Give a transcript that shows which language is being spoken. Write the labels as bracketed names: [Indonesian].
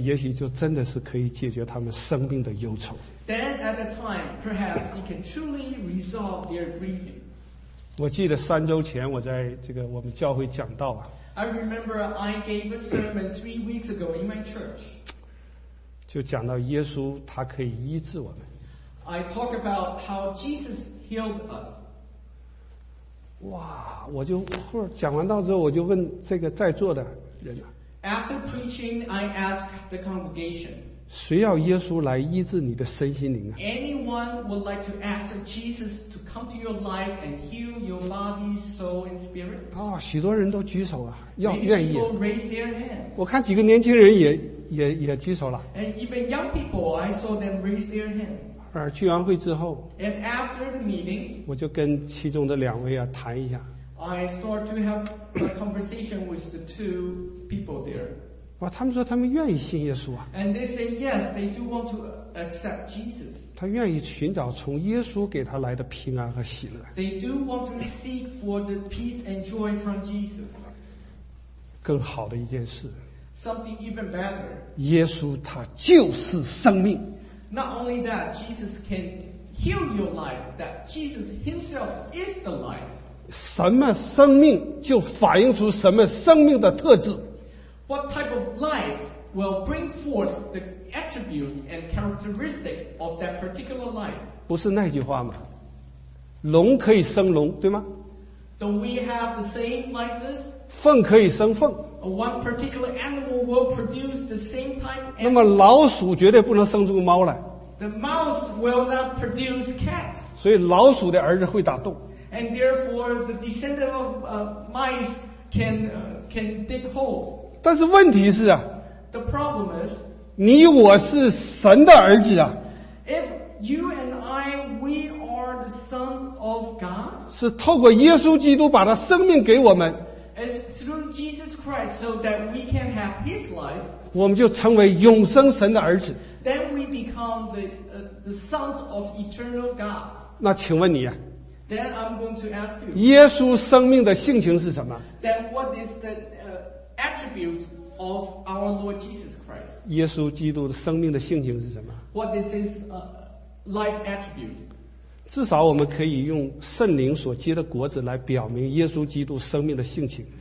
[Chinese] 也许就真的是可以解决他们生命的忧愁 [English] then at the time, perhaps it can truly resolve their grieving. [Chinese] 我记得三周前我在这个我们教会讲道啊 [English] I remember I gave a sermon 3 weeks ago in my church. [Chinese] 就讲到耶稣他可以医治我们 [English] I talk about how Jesus healed us. [Chinese] 哇，我就讲完道之后，我就问这个在座的人啊。 [English] After preaching, I ask the congregation. [Chinese] 谁要耶稣来医治你的身心灵啊 [English] ？Anyone would like to ask Jesus to come to your life and heal your body, soul, and spirit? [Chinese] 啊，许多人都举手啊，要愿意。 [English] People raise their hand. [Chinese] 我看几个年轻人也举手了。 [English] And even young people, I saw them raise their hand. [Chinese] 而聚完会之后 [English] And after the meeting, [Chinese] 我就跟其中的两位、啊、谈一下 [English] I start to have a conversation with the two people there [Chinese] 哇他们说他们愿意信耶稣、啊、 [English] And they say yes they do want to accept Jesus [Chinese] 他愿意寻找从耶稣给他来的平安和喜乐 [English] They do want to seek for the peace and joy from Jesus [Chinese] 更好的一件事 [English] Something even better [Chinese] 耶稣他就是生命 [English] Not only that, Jesus can heal your life, that Jesus himself is the life. [Chinese] 什么生命就反映出什么生命的特质。 [English] What type of life will bring forth the attribute and characteristic of that particular life? [Chinese] 不是那句话吗？龙可以生龙，对吗？ [English] Don't we have the same like this? [Chinese] 凤可以生凤。 [English] One particular animal will produce the same type animal. [Chinese] 那么老鼠绝对不能生出猫来。 [English] The mouse will not produce cat. [Chinese] 所以老鼠的儿子会打洞。 [English] And therefore, the descendant of mice can dig holes. [Chinese] 但是问题是啊。 [English] The problem is. [Chinese] 你我是神的儿子啊。 [English] If you and I, we are the sons of God. [Chinese] 是透过耶稣基督把他生命给我们。 [English] It's through Jesus Christ so that we can have his life. [Chinese] 我们就成为永生神的儿子。 [English] Then we become the sons of eternal God. [Chinese] 那请问你啊。 [English] Then I'm going to ask you. [Chinese] 耶稣生命的性情是什么 [English] Then what is the attribute of our Lord Jesus Christ? [Chinese] 耶稣基督的生命的性情是什么 [English] What is his life attribute? [Chinese] 至少我们可以用圣灵所结的果子来表明耶稣基督生命的性情。